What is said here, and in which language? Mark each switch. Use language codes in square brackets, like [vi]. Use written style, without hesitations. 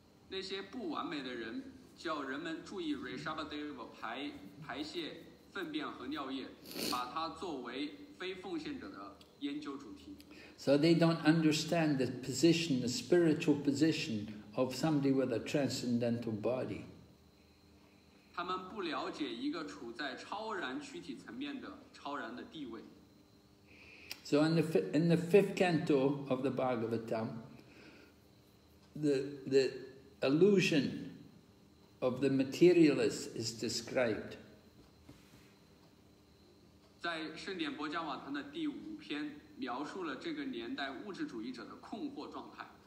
[zh] 那些不完美的人叫人们注意 Rishabhdev 排泄粪便和尿液，把它作为非奉献者的研究主题。 [en] So they don't understand the position, the spiritual position. Of somebody with a transcendental body. [zh] 他们不了解一个处在超然躯体层面的超然的地位。 [en] So in the fifth canto of the Bhagavatam, the illusion of the materialist is described. [zh] 在圣典博迦瓦坛的第五篇描述了这个年代物质主义者的困惑状态。